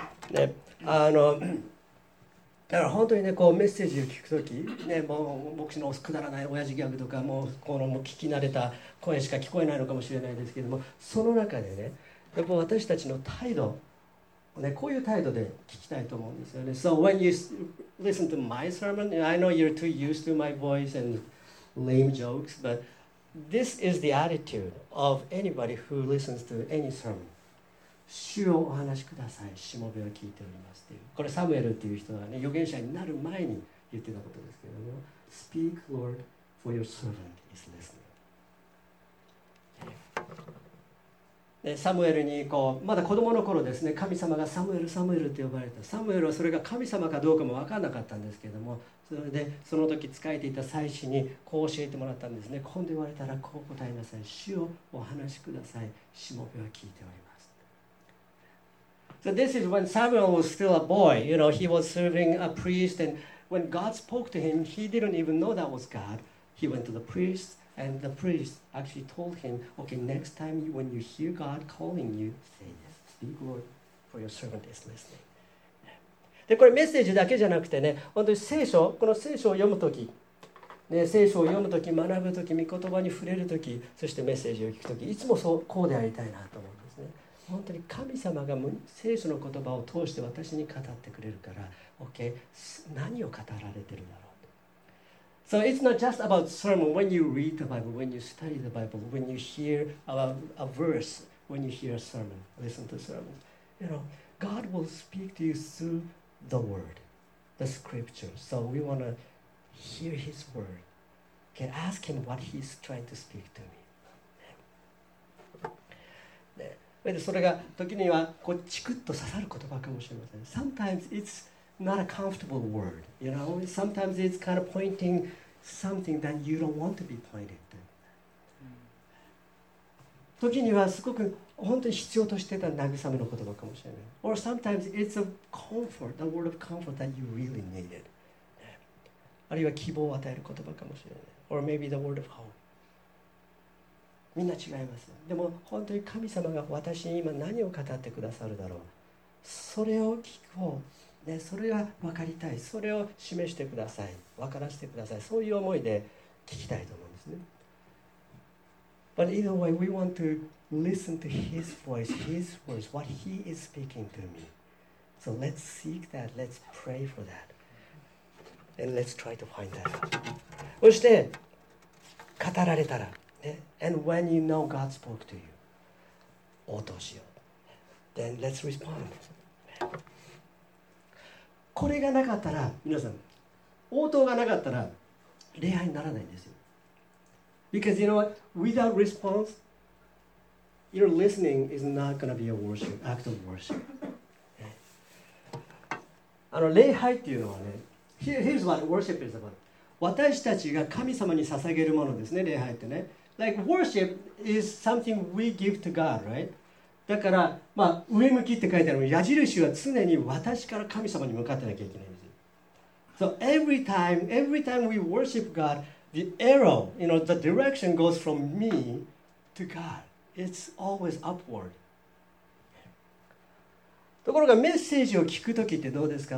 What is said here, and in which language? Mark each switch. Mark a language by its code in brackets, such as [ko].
[ja] ね、あの、だから本当にね、こうメッセージを聞くとき、ね、もう牧師のくだらない親父ギャグとか、もうこのもう聞き慣れた声しか聞こえないのかもしれないですけども、その中でね、やっぱ私たちの態度、ね、こういう態度で聞きたいと思うんですよね。 [en] So when you listen to my sermon, I know you're too used to my voice and lame jokes, but this is the attitude of anybody who listens to any sermon. [ja] 主をお話しください。しもべを聞いておりますっていう。これサムエルっていう人はね、預言者になる前に言ってたことですけども、 [en] Speak, Lord, for your servant is listening. [ja] サムエルにこうまだ子供の頃ですね、神様がサムエル、サムエルって呼ばれた。サムエルはそれが神様かどうかも分からなかったんですけども、それでその時仕えていた祭司にこう教えてもらったんですね。今度言われたらこう答えなさい。主をお話しください。しもべは聞いております。 [en] So this is when Samuel was still a boy. You know, he was serving a priest, and when God spoke to him, he didn't even know that was God. He went to the priestAnd the priest actually told him, okay, next time you, when you hear God calling you, say this. Speak, Lord, for your servant is listening. [ja] で、これメッセージだけじゃなくてね、本当に聖書、この聖書を読むとき、ね、聖書を読むとき、学ぶとき、御言葉に触れるとき、そしてメッセージを聞くとき、いつもそう、こうでありたいなと思うんですね。本当に神様が聖書の言葉を通して私に語ってくれるから、okay, 何を語られてるんだろう。 [en] So it's not just about sermon. When you read the Bible, when you study the Bible, when you hear a verse, when you hear a sermon, listen to sermons. You know, God will speak to you through the Word, the Scripture. So we want to hear His Word. Okay, ask Him what He's trying to speak to me. [ja] でそれが時にはこうチクッと刺さる言葉かもしれません。 [en] Sometimes it's not a comfortable word, you know. Sometimes it's kind of pointing something that you don't want to be pointed to. [ja] 時にはすごく本当に必要としてた慰めの言葉かもしれない。 [en] Or sometimes it's a comfort, the word of comfort that you really needed. [ja] あるいは希望を与える言葉かもしれない。 [en] Or maybe the word of hope. [ja] みんな違います。でも本当に神様が私に今何を語ってくださるだろう。それを聞こう、ね、それが分かりたい。それを示してください。分からせてください。そういう思いで聞きたいと思うんですね。 [en] But either way, we want to listen to His voice, His words, what He is speaking to me. So let's seek that, let's pray for that. And let's try to find that. [ja] そして語られたら、 [en] And when you know God spoke to you, [ja] 応答しよう。 [en] Then let's respond. [ja] これがなかったら、皆さん、応答がなかったら、礼拝にならないんですよ。 [en] Because you know what? Without response, your listening is not going to be a worship, act of worship. [ja] あの礼拝っていうのはね、 [en] Here's what worship is about. [ja] 私たちが神様に捧げるものですね、礼拝ってね。 [en] Like worship is something we give to God, right? [ja] だから、まあ、上向きって書いてあるの矢印は常に私から神様に向かってなきゃいけないんですよ。 [en] So every time we worship God, the arrow, you know, the direction goes from me to God. It's always upward. [ja] ところがメッセージを聞くときってどうですか?